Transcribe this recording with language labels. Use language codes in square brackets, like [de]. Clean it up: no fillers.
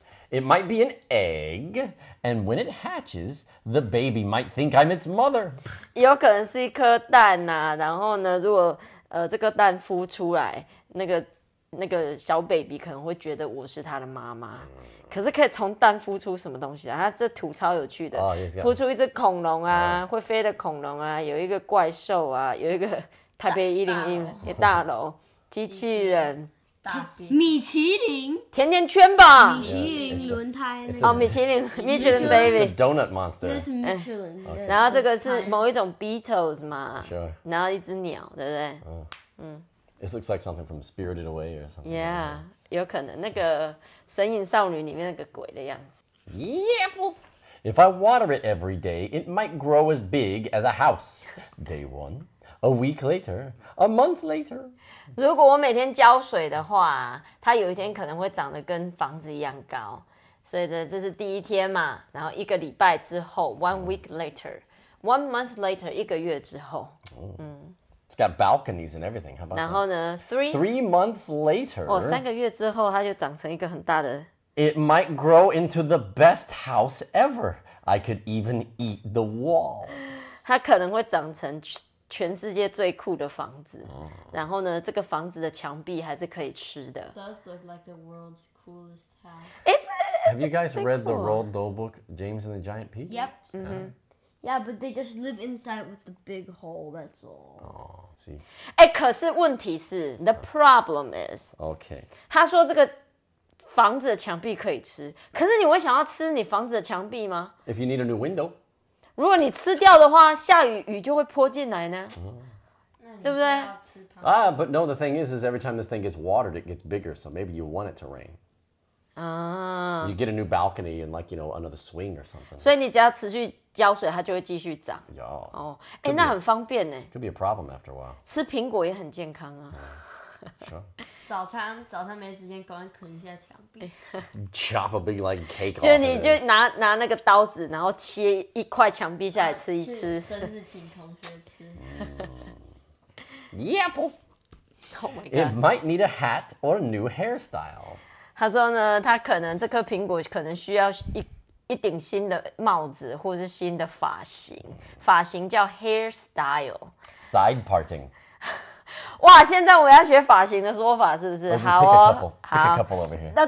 [en] It might be an egg, and when it hatches, the baby might think I'm its mother. [zh] 有可能是一颗蛋啊，然后呢，如果这个蛋孵出来，那个小 baby 可能会觉得我是他的妈妈。可是可以从蛋孵出什么东西啊？它这图超有趣的， [en] oh, yes, [zh] 孵出一只恐龙啊， oh. 会飞的恐龙啊，有一个怪兽啊，有一个台北101大楼机器人。米其林甜甜圈吧，米其林轮胎那个哦，米其林 Michelin baby， [en] it's a donut monster， it's Michelin。 [zh] 然后这个是某一种 Beatles 嘛， [en] sure。 [zh] 然后一只鸟，对不对？嗯 [en] ，it looks like something from Spirited Away or something。 [zh] Yeah， 有可能那个《神隐少女》里面那个鬼的样子。 [en] Yep。 If I water it every day, it might grow as big as a house. Day one. A week later, a month later. [zh] 如果我每天浇水的话，它有一天可能会长得跟房子一样高。所以这是第一天嘛，然后一个礼拜之后 ， [en] one week later, one month later, [zh] 一个月之后。 [en] It's got balconies and everything. How about? [zh] 然后呢 [en] ，three months later. [zh] 哦，三个月之后，它就长成一个很大的。 [en] It might grow into the best house ever. I could even eat the walls. [zh] 它可能会长成。全世界最酷的房子、oh. 然后呢这个房子的墙壁还是可以吃的 [en] does look like the world's coolest house have you guys read the Roald Dahl book James and the Giant Peach yep、mm-hmm. yeah but they just live inside with the big hole that's all oh see [zh] 哎可是问题是 [en] the problem is okay [zh] 他说这个房子的墙壁可以吃可是你会想要吃你房子的墙壁吗 [en] if you need a new window [zh] 如果你吃掉的话，下雨雨就会泼进来呢，对不对？ [en] 啊、but no, the thing is every time this thing gets watered, it gets bigger. So maybe you want it to rain. 啊、 you get a new balcony and like you know another swing or something. [zh] 所以你只要持续浇水，它就会继续长。有哦，哎，那很方便呢。 [en] Could be a problem after a while. [zh] 吃苹果也很健康啊。 [en] Sure. [zh] 早餐没时间，赶快啃一下墙壁。 [en] Chop a big like cake. [zh] 就你就拿那个刀子，然后切一块墙壁下来吃一吃。生日请同学吃。 [en] Yep. Oh my god. It might need a hat or a new hairstyle. [zh] 他说呢，他可能这颗苹果可能需要一顶新的帽子，或是新的发型。发型叫 hairstyle. [en] Side parting. 哇！ [zh] 现在我要学发型的说法，是不是？好哦，好。那